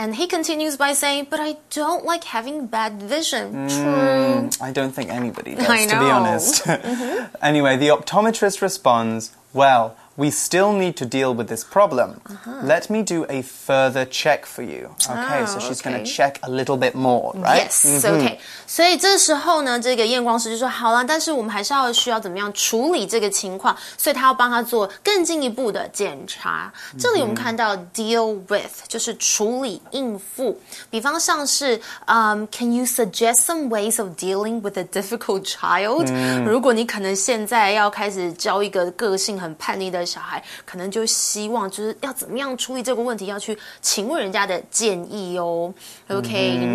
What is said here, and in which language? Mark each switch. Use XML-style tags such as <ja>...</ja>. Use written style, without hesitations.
<en>And he continues by saying, but I don't like having bad vision. True. I don't think anybody does, to be honest. Mm-hmm. Anyway, the optometrist responds, well, we still need to deal with this problem. Uh-huh. Let me do a further check for you. Okay, so she's going to check a little bit more, right? Yes, okay.</en> <zh>所以这时候呢，这个验光师就说，好啦，但是我们还是要需要怎么样处理这个情况，所以他要帮他做更进一步的检查。这里我们看到 deal with, 就是处理应付。比方像是</zh> <en>can you suggest some ways of dealing with a difficult child?、Mm-hmm.</en> <zh>如果你可能现在要开始教一个个性很叛逆的的小孩可能就希望就是要怎么样处理这个问题要去请问人家的建议哦 OK、mm-hmm.</zh>